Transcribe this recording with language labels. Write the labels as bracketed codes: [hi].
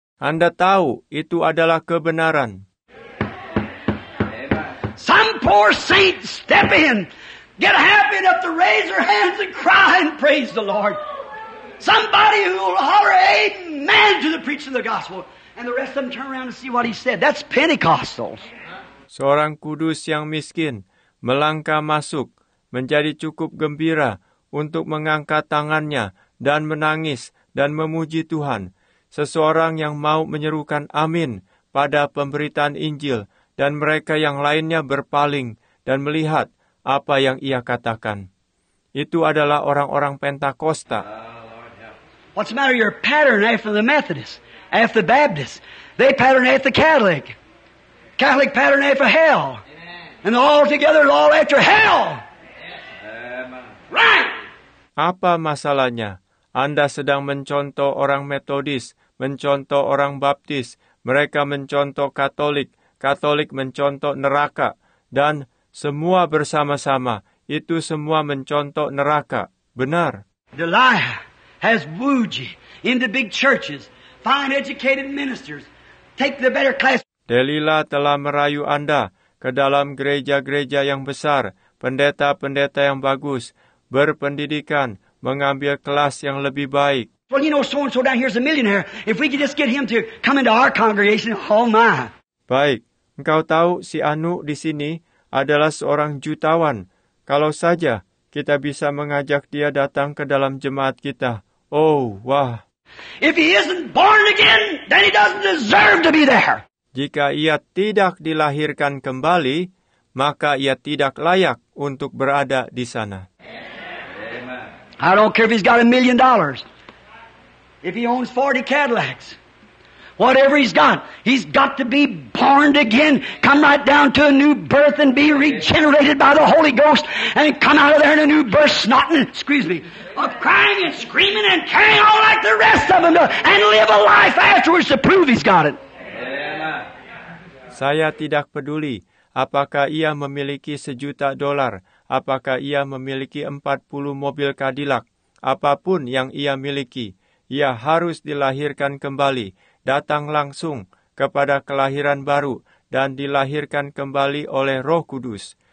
[id] Anda tahu itu adalah kebenaran. [en] Some poor saint step in, get happy enough to raise their hands and cry and praise the Lord. Somebody who will holler amen to the preaching of the gospel, and the rest of them turn around and see what he said. That's Pentecostals. [id] Seorang kudus yang miskin melangkah masuk, menjadi cukup gembira untuk mengangkat tangannya dan menangis dan memuji Tuhan. Seseorang yang mau menyerukan amin pada pemberitaan Injil, dan mereka yang lainnya berpaling dan melihat apa yang ia katakan. Itu adalah orang-orang Pentakosta. [en] What's the matter? You're patterned after the Methodist, after the Baptist. They patterned after the Catholic. Catholic patterned after hell. And all together, all after hell. Right! [id] Apa masalahnya? Anda sedang mencontoh orang Methodist, mencontoh orang Baptist, mereka mencontoh Katolik, Katolik mencontoh neraka, dan semua bersama-sama, itu semua mencontoh neraka. Benar. [en] The liar has wooed you into big churches, fine educated ministers, take the better class. [id] Delilah telah merayu Anda ke dalam gereja-gereja yang besar, pendeta-pendeta yang bagus, berpendidikan, mengambil kelas yang lebih baik. [en] Well, you know, so-and-so down here is a millionaire. If we could just get him to come into our congregation, oh my. [id] Baik, engkau tahu si Anu di sini adalah seorang jutawan. Kalau saja kita bisa mengajak dia datang ke dalam jemaat kita. Oh, wah. [en] If he isn't born again, then he doesn't deserve to be there. [id] Jika ia tidak dilahirkan kembali, maka ia tidak layak untuk berada di sana. [en] I don't care if he's got $1 million. If he owns 40 Cadillacs. Whatever he's got to be born again. Come right down to a new birth and be regenerated by the Holy Ghost. And come out of there in a new birth, of crying and screaming and carrying on like the rest of them. And live a life afterwards to prove he's got it. [id] Saya tidak peduli apakah ia memiliki $1 million, apakah ia memiliki 40 mobil Cadillac, apapun yang ia miliki, ia harus dilahirkan kembali, datang langsung kepada kelahiran baru, dan dilahirkan kembali oleh Roh Kudus,